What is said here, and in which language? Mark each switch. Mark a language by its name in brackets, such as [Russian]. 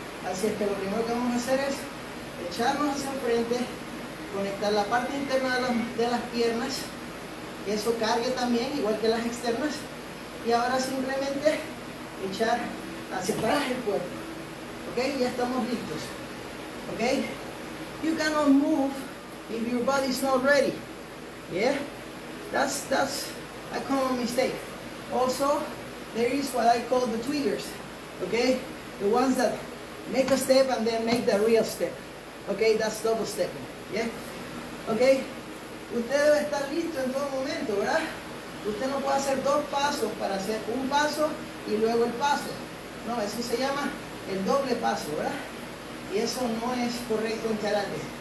[Spanish] Así es que lo primero que vamos a hacer es echarnos hacia enfrente, conectar la parte interna de las piernas, que eso cargue también, igual que las externas, y ahora simplemente echar hacia atrás el cuerpo. Ok, ya estamos listos. [English] Ok, you cannot move if your body is not ready. Yeah, that's a common mistake. Also, there is what I call the tweakers. Okay, the ones that make a step and then make the real step. Okay, that's double stepping. [Spanish] Yeah, okay, usted debe estar listo en todo momento, ¿verdad? Usted no puede hacer dos pasos para hacer un paso y luego el paso. No, eso se llama el doble paso, ¿verdad? Y eso no es correcto en karate.